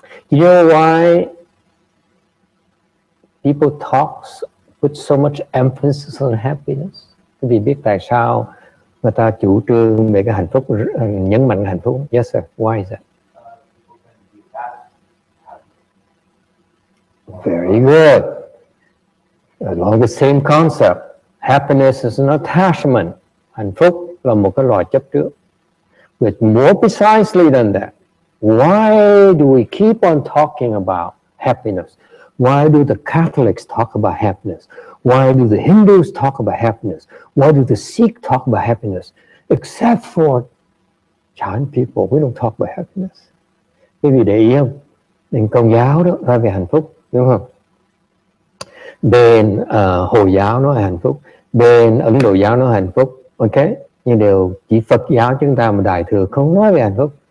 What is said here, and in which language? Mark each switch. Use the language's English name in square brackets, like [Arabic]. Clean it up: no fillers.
[English] You know why people put so much emphasis on happiness? [Vietnamese] Vì biết tại sao người ta chủ trương về cái hạnh phúc, nhấn mạnh hạnh phúc. [English] Yes sir, why is that? Very good. Along the same concept, happiness is an attachment. [Vietnamese] Hạnh phúc là một cái loại chấp trước. [English] But more precisely than that, why do we keep on talking about happiness? Why do the Catholics talk about happiness? Why do the Hindus talk about happiness? Why do the Sikh talk about happiness? Except for Chan people, we don't talk about happiness. [Vietnamese] Bởi vì để ý không? Nên Công giáo đó nói về hạnh phúc, đúng không? Bên Hồi giáo nói hạnh phúc, bên Ấn Độ giáo nói hạnh phúc, ok? Nhưng đều chỉ Phật giáo chúng ta mà Đại Thừa không nói về hạnh phúc.